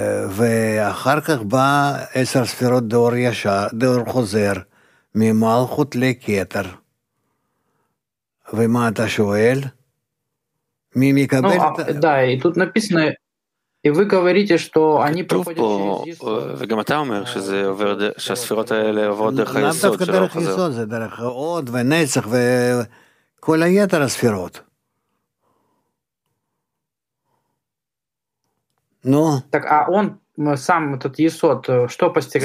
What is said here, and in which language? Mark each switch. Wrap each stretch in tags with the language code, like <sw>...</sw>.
<he>ואחר כך בא עשר ספירות דור ישר, דור חוזר, ממלכות לכתר. ומה אתה שואל? מי מקבל את... די,</he> <ru>тут написано, и вы говорите, что они проходят через יסוד.</ru> <he>וגם אתה אומר שזה עובר, שהספירות האלה עוברות דרך היסוד שלא חוזר. לא דרך יסוד, זה דרך עוד ונצח וכל היתר הספירות.</he> <ru>Но... Так, а он сам, этот Есод, что постигает?</ru>